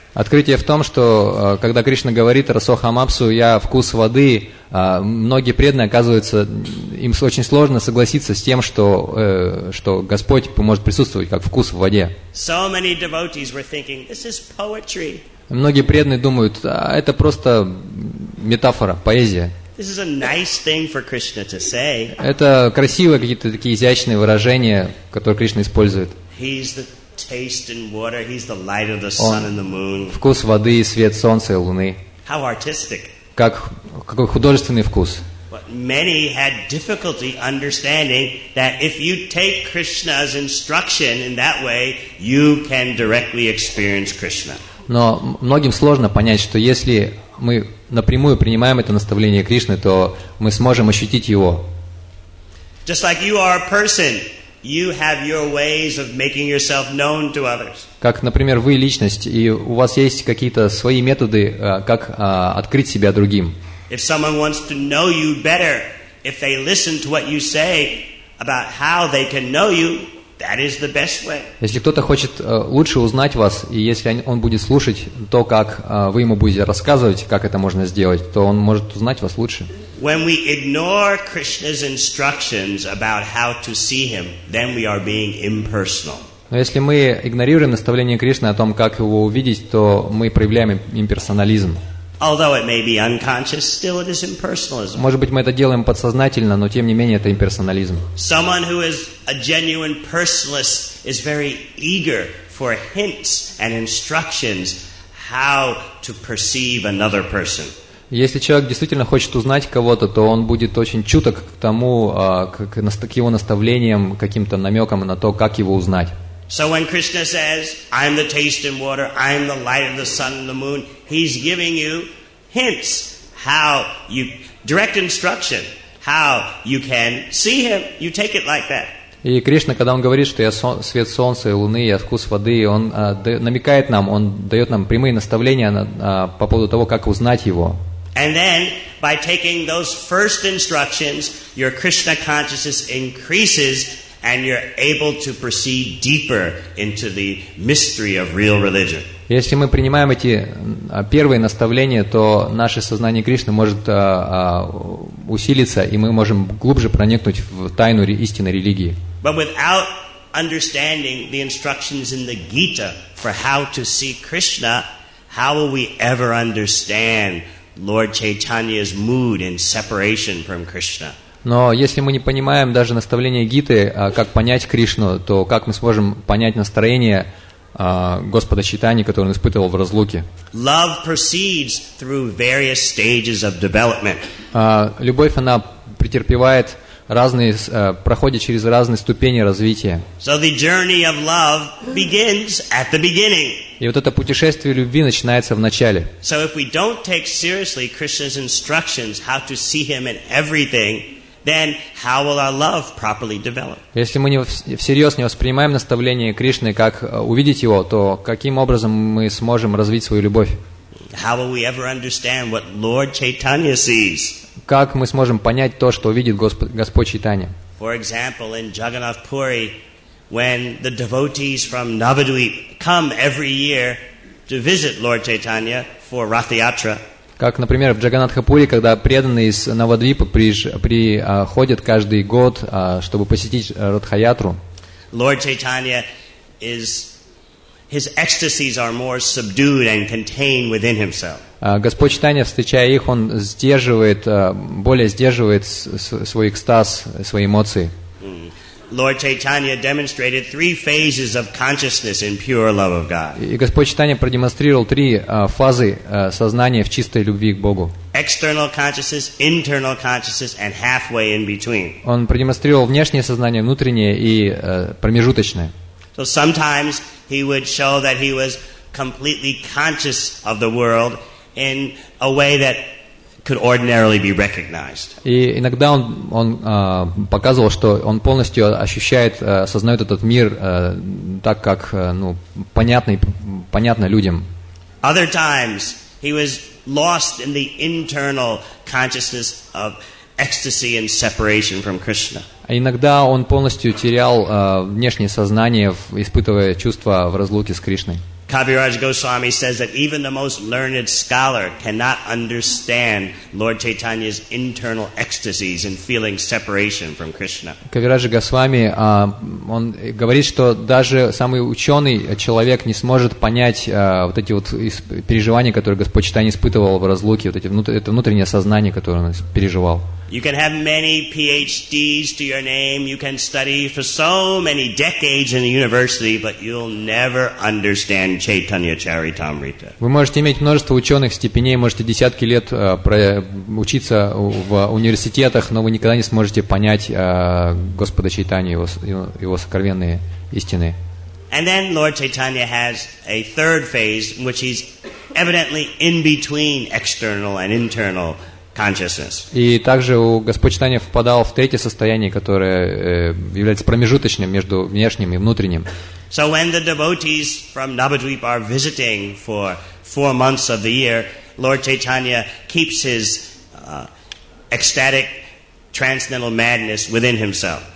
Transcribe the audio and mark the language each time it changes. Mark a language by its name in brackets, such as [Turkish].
[Russian] Открытие в том, что когда Кришна говорит расохам апсу, я вкус воды, многие преданные оказываются, им очень сложно согласиться с тем, что Господь может присутствовать как вкус в воде. [English] So many devotees were thinking, this is poetry. [Russian] Многие преданные думают, это просто метафора, поэзия. [English] This is a nice thing for Krishna to say. [Russian] Это красивые какие-то такие изящные выражения, которые Кришна использует. [English] He's the taste in water. He's the light of the sun and the moon. [Russian] Вкус воды, свет солнца и луны. [English] How artistic. [Russian] Какой художественный вкус. [English] But many had difficulty understanding that if you take Krishna's instruction in that way, you can directly experience Krishna. [Russian] Но многим сложно понять, что если мы напрямую принимаем это наставление Кришны, то мы сможем ощутить его. [English] Just like you are a person, You have your ways of making yourself known to others. [Russian] Как, например, вы личность, и у вас есть какие-то свои методы, как открыть себя другим. [English] If someone wants to know you better, if they listen to what you say about how they can know you, that is the best way. [Russian] Если кто-то хочет лучше узнать вас, и если он будет слушать то, как вы ему будете рассказывать, как это можно сделать, то он может узнать вас лучше. [English] When we ignore Krishna's instructions about how to see him, then we are being impersonal. [Russian] Но если мы игнорируем наставление Кришны о том, как его увидеть, то мы проявляем имперсонализм. [English] Although it may be unconscious, still it is impersonalism. [Russian] Может быть, мы это делаем подсознательно, но тем не менее это имперсонализм. [English] Someone who is a genuine personalist is very eager for hints and instructions how to perceive another person. [Russian] Если человек действительно хочет узнать кого-то, то он будет очень чуток к тому, к его наставлениям, каким-то намекам на то, как его узнать. [English] So when Krishna says, I'm the taste and water, I'm the light of the sun and the moon, he's giving you hints, how you, direct instruction, how you can see him, you take it like that. [Russian] И Кришна, когда он говорит, что я свет солнца и луны, я вкус воды, он намекает нам, он дает нам прямые наставления по поводу того, как узнать его. [English] And then, by taking those first instructions, your Krishna consciousness increases and you're able to proceed deeper into the mystery of real religion. [Russian] Если мы принимаем эти первые наставления, то наше сознание Кришны может усилиться, и мы можем глубже проникнуть в тайну истинной религии. [English] But without understanding the instructions in the Gita for how to see Krishna, how will we ever understand Lord Chaitanya's mood in separation from Krishna? [Russian] Но если мы не понимаем даже наставление Гиты, как понять Кришну, то как мы сможем понять настроение Господа Чайтаньи, которое он испытывал в разлуке? [English] Love proceeds through various stages of development. [Russian] Любовь, она претерпевает разные, проходит через разные ступени развития. [English] So the journey of love begins at the beginning. [Russian] И вот это путешествие любви начинается в начале. [English] So if we don't take seriously Krishna's instructions how to see him in everything, then how will our love properly develop? [Russian] Если мы не всерьез не воспринимаем наставление Кришны, как увидеть его, то каким образом мы сможем развить свою любовь? [English] How will we ever understand what Lord Chaitanya sees? [Russian] Как мы сможем понять то, что видит Господь Чайтанья? [English] For example, in Jagannath Puri, when the devotees from Navadvip come every year to visit Lord Chaitanya for Rath Yatra. [Russian] Как, например, в Джаганатхапуре, когда преданные из Навадвипа приходят каждый год, чтобы посетить Радхаятру. [English] Lord Chaitanya is, his ecstasies are more subdued and contained within himself. [Russian] Господь Чайтанья, встречая их, он сдерживает, более сдерживает свой экстаз, свои эмоции. [English] Lord Chaitanya demonstrated three phases of consciousness in pure love of God. [Russian] И Господь Чайтанья продемонстрировал три фазы сознания в чистой любви к Богу. [English] External consciousness, internal consciousness, and halfway in between. [Russian] Он продемонстрировал внешнее сознание, внутреннее и промежуточное. [English] So sometimes he would show that he was completely conscious of the world in a way that could ordinarily be recognized. [Russian] И иногда он показывал, что он полностью ощущает, осознает этот мир так, как понятно людям. [English] Other times he was lost in the internal consciousness of ecstasy and separation from Krishna. [Russian] А иногда он полностью терял внешнее сознание, испытывая чувства в разлуке с Кришной. [English] Kaviraj Goswami says that even the most learned scholar cannot understand Lord Chaitanya's internal ecstasies and feeling separation from Krishna. [Russian] Kaviraj Goswami, он говорит, что даже самый ученый человек не сможет понять вот эти вот переживания, которые Господь Чайтанья испытывал в разлуке, вот эти это внутреннее сознание, которое он переживал. [English] You can have many PhDs to your name, you can study for so many decades in a university, but you'll never understand Chaitanya Charitamrita. [Russian] Вы можете иметь множество ученых степеней, можете десятки лет учиться в университетах, но вы никогда не сможете понять Господа Чайтанью, его сокровенные истины. [English] And then Lord Chaitanya has a third phase, which is evidently in between external and internal consciousness. [Russian] И также у Господь Читания впадал в третье состояние, которое является промежуточным между внешним и внутренним. [English] So when the devotees from Navadvip are visiting for 4 months of the year, Lord Chaitanya keeps his ecstatic transcendental madness within himself.